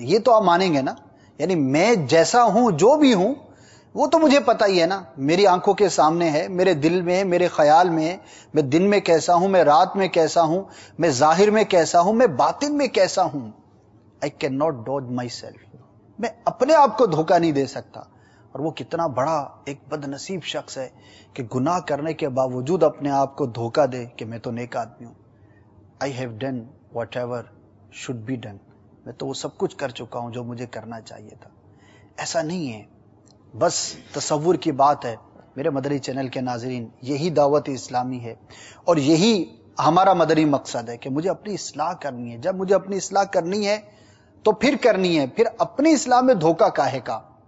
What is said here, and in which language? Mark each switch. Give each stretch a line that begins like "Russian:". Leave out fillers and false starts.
Urdu: یہ تو آپ مانیں گے نا، یعنی میں جیسا ہوں جو بھی ہوں وہ تو مجھے پتہ ہی ہے نا، میری آنکھوں کے سامنے ہے، میرے دل میں ہے، میرے خیال میں ہے، میں دن میں کیسا ہوں، میں رات میں کیسا ہوں، میں ظاہر میں کیسا ہوں، میں باطن میں کیسا ہوں.
English: I cannot dodge myself.
Urdu: میں اپنے آپ کو دھوکا نہیں دے سکتا. اور وہ کتنا بڑا ایک بدنصیب شخص ہے کہ گناہ کرنے کے باوجود اپنے آپ کو دھوکا دے کہ میں تو نیک آدمی ہوں.
English: I have done whatever should be done.
Urdu: میں تو وہ سب کچھ کر چکا ہوں جو مجھے کرنا چاہیے تھا. ایسا نہیں ہے، بس تصور کی بات ہے. میرے مدری چینل کے ناظرین، یہی دعوت اسلامی ہے اور یہی ہمارا مدری مقصد ہے کہ مجھے اپنی اصلاح کرنی ہے. جب مجھے اپنی اصلاح کرنی ہے تو پھر کرنی ہے، پھر اپنی اصلاح میں دھوکہ کاہے کا.